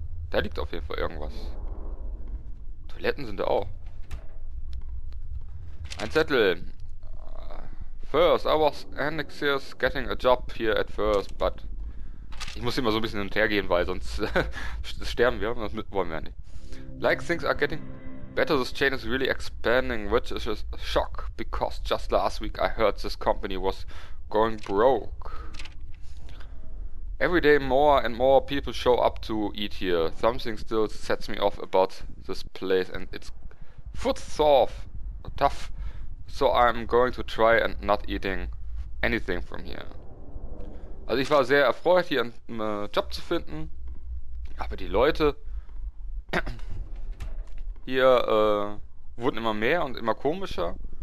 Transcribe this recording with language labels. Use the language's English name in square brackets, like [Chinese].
[German] Da liegt auf jeden Fall irgendwas. Toiletten sind da auch. Ein Zettel. [English] First, I was anxious getting a job here at first, but. [German] Ich muss hier mal so ein bisschen hin und her gehen, weil sonst sterben wir. Das wollen wir ja nicht. [English] Like things are getting better, this chain is really expanding, which is a shock, because just last week I heard this company was going broke. Every day more and more people show up to eat here. Something still sets me off about this place and it's foot sore, tough. So I'm going to try and not eating anything from here. [German] Also ich war sehr erfreut, hier einen Job zu finden. Aber die Leute hier wurden immer mehr und immer komischer.